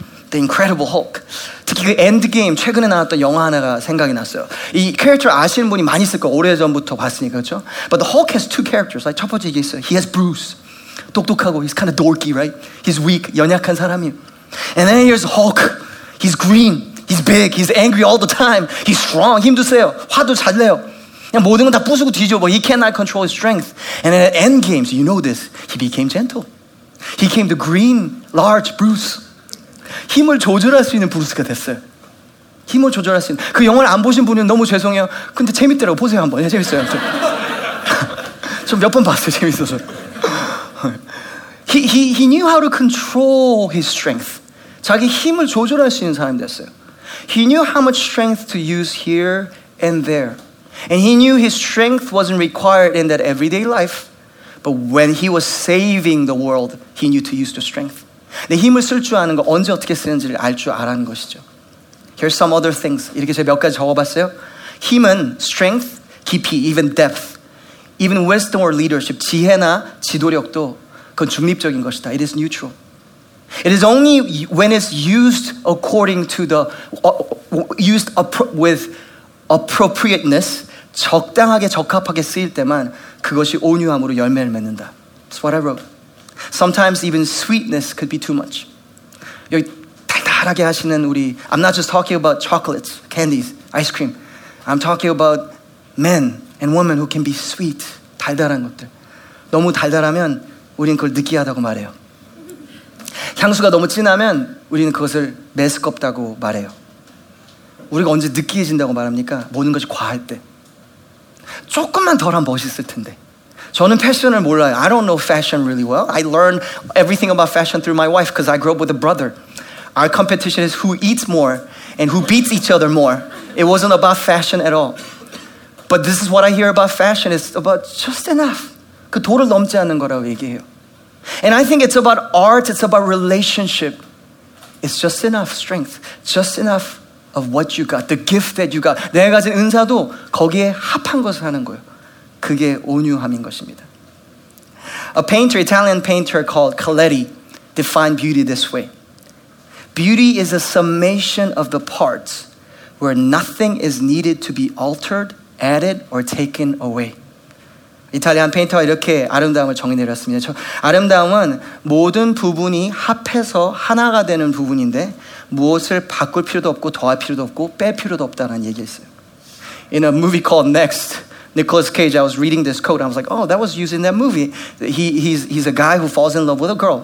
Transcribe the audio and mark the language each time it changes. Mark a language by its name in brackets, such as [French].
[English] The Incredible Hulk. [Korean] 특히 그 엔드게임, 최근에 나왔던 영화 하나가 생각이 났어요. 이 캐릭터 아시는 분이 많이 있을 거예요. 오래전부터 봤으니까, 그렇죠? [English] But the Hulk has two characters. Like, [Korean] 첫 번째 얘기했어요. [English] He has Bruce. [Korean] 똑똑하고, [English] he's kind of dorky, right? He's weak, [Korean] 연약한 사람이에요. [English] And then here's Hulk. He's green. He's big, he's angry all the time. He's strong, [Korean] 힘도 세요. 화도 잘 내요. 그냥 모든 건 다 부수고 뒤져봐. [English] He cannot control his strength. And then at end games, you know this, he became gentle. He came the green, large Bruce. [Korean] 힘을 조절할 수 있는 브루스가 됐어요. 힘을 조절할 수 있는. 그 영화를 안 보신 분은 너무 죄송해요. 근데 재밌더라고. 보세요 한번. 네, 재밌어요. 좀 몇 번 봤어요. 재밌어서. [English] He knew how to control his strength. [Korean] 자기 힘을 조절할 수 있는 사람이 됐어요. [English] He knew how much strength to use here and there. And he knew his strength wasn't required in that everyday life. But when he was saving the world, he knew to use the strength. [Korean] 내 힘을 쓸 줄 아는 거, 언제 어떻게 쓰는지를 알 줄 알았는 것이죠. [English] Here's some other things. [Korean] 이렇게 제가 몇 가지 적어봤어요. 힘은 [English] strength, [Korean] 깊이, [English] even depth, even wisdom or leadership, [Korean] 지혜나 지도력도 그건 중립적인 것이다. [English] It is neutral. It is only when it's used according to the, used with appropriateness [Korean] 적당하게 적합하게 쓰일 때만 그것이 온유함으로 열매를 맺는다. [English] That's what I wrote. Sometimes even sweetness could be too much. [Korean] 여기 달달하게 하시는 우리 [English] I'm not just talking about chocolates, candies, ice cream. I'm talking about men and women who can be sweet. [Korean] 달달한 것들. 너무 달달하면 우리는 그걸 느끼하다고 말해요. 향수가 너무 진하면 우리는 그것을 매스껍다고 말해요. 우리가 언제 느끼해진다고 말합니까? 모든 것이 과할 때. 조금만 덜한 멋있을 텐데. 저는 패션을 몰라요. [English] I don't know fashion really well. I learned everything about fashion through my wife because I grew up with a brother. Our competition is who eats more and who beats each other more. It wasn't about fashion at all. But this is what I hear about fashion. It's about just enough. [Korean] 그 도를 넘지 않는 거라고 얘기해요. [English] And I think it's about art. It's about relationship. It's just enough strength. Just enough of what you got. The gift that you got. [Korean] 내가 가진 은사도 거기에 합한 것을 하는 거예요. 그게 온유함인 것입니다. [English] A painter, Italian painter called Coletti defined beauty this way. Beauty is a summation of the parts where nothing is needed to be altered, added, or taken away. [Korean] 이탈리안 페인터가 이렇게 아름다움을 정의 내렸습니다. 아름다움은 모든 부분이 합해서 하나가 되는 부분인데 무엇을 바꿀 필요도 없고 더할 필요도 없고 뺄 필요도 없다는 얘기였어요. [English] In a movie called Next, Nicolas Cage, I was reading this quote. I was like, oh, that was used in that movie. He's a guy who falls in love with a girl.